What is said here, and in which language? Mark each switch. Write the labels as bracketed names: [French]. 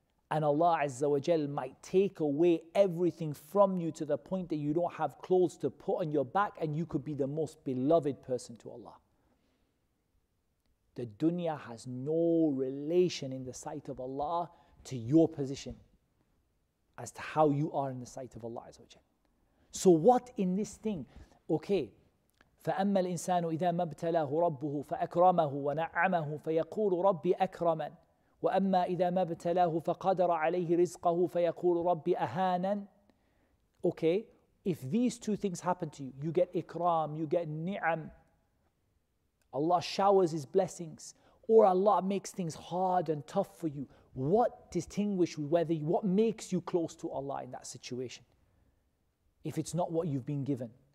[English] And Allah Azza wa Jal might take away everything from you to the point that you don't have clothes to put on your back, and you could be the most beloved person to Allah. The dunya has no relation in the sight of Allah to your position as to how you are in the sight of Allah Azza wa Jal. So what in this thing? Okay, [Arabic] فأما الإنسان إذا ما ابتلاه ربه فأكرمه ونعمه فيقول ربي أكرمن، وأما إذا ما ابتلاه فقدر عليه رزقه فيقول ربي أهانن. [English] Okay, if these two things happen to you, you get ikram, you get ni'am, Allah showers His blessings, or Allah makes things hard and tough for you, what distinguishes whether you, what makes you close to Allah in that situation, if it's not what you've been given?